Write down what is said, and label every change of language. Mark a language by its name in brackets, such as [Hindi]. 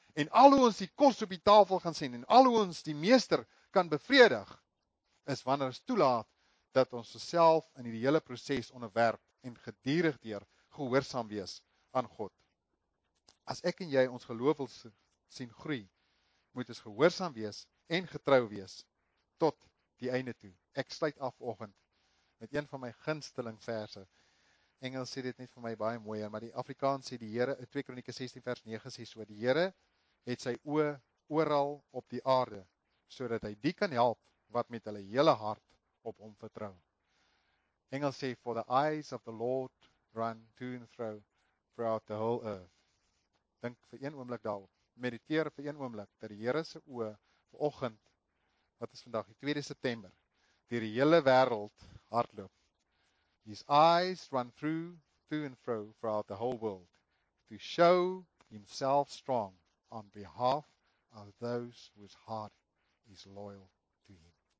[Afrikaans] En al hoe ons die kos op die tafel gaan sien en al hoe ons die meester kan bevredig, is wanneer ons toelaat dat ons osself in die hele proses onderwerp en gedurig deur gehoorsaam wees aan God. As ek en jy ons geloof wil sien groei, moet ons gehoorsaam wees en getrou wees tot die einde toe. Ek sluit af vanoggend met een van my gunsteling verse. Engels sê dit net vir my baie mooier, maar die Afrikaans sê die Here, 2 Kronieke 16 vers 9 sê so: "Die Here het sy oë oral op die aarde, sodat hy die kan help wat met hulle hele hart op hom vertrou. Engels sê, [English] for the eyes of the Lord run to and fro throughout the whole earth. [Afrikaans] Dink vir een oomblik daarop. Mediteer vir een oomblik dat die Here se oë vanoggend, wat is vandag die 2 September, deur die hele wêreld hardloop. [English] His eyes run through to and fro throughout the whole world to show himself strong on behalf of those whose heart is loyal to him.